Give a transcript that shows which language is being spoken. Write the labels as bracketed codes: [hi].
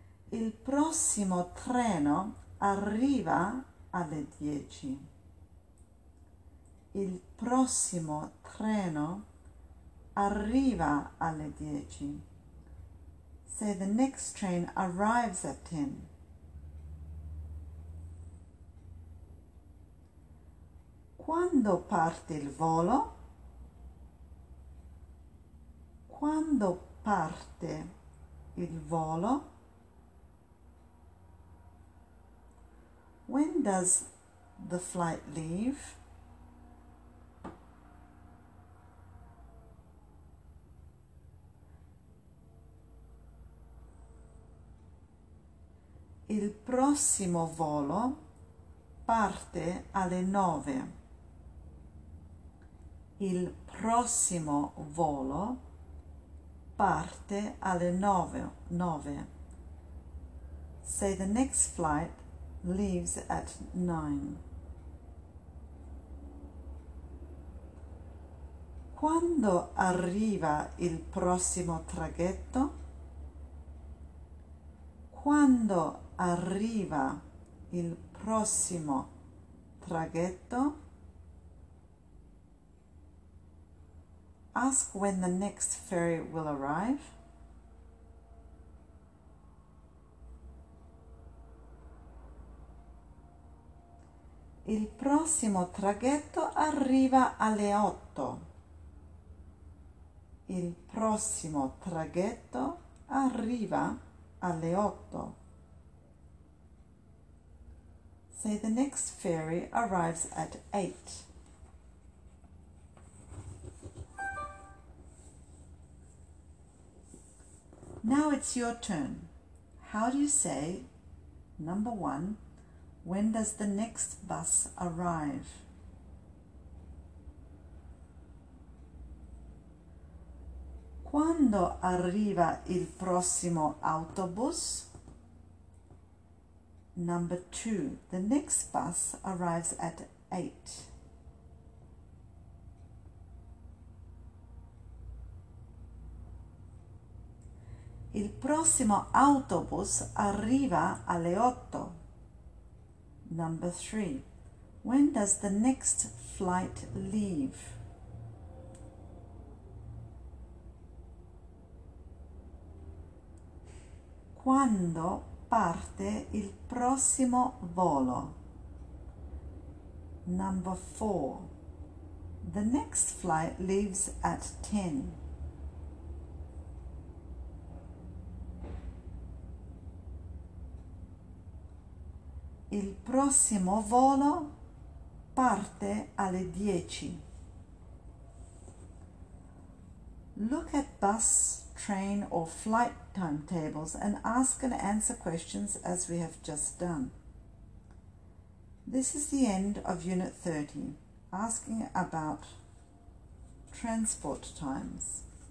[it] Il prossimo treno arriva alle 10. Il prossimo treno arriva alle 10. [en] Say, the next train arrives at 10. [it] Quando parte il volo? Quando parte il volo? [en] When does the flight leave? [it] Il prossimo volo parte alle 9. Il prossimo volo parte alle 9. [en] Say, the next flight leaves at 9. [it] Quando arriva il prossimo traghetto? Quando arriva il prossimo traghetto? [en] Ask when the next ferry will arrive. [it] Il prossimo traghetto arriva alle 8. Il prossimo traghetto arriva alle 8. [en] Say, the next ferry arrives at 8. Now it's your turn. How do you say, number one, when does the next bus arrive? [it] Quando arriva il prossimo autobus? [en] Number two, the next bus arrives at 8. [it] Il prossimo autobus arriva alle 8. [en] Number 3. When does the next flight leave? [it] Quando parte il prossimo volo? [en] Number 4. The next flight leaves at 10. [it] Il prossimo volo parte alle 10. [en] Look at bus, train or flight timetables and ask and answer questions as we have just done. This is the end of Unit 30, asking about transport times.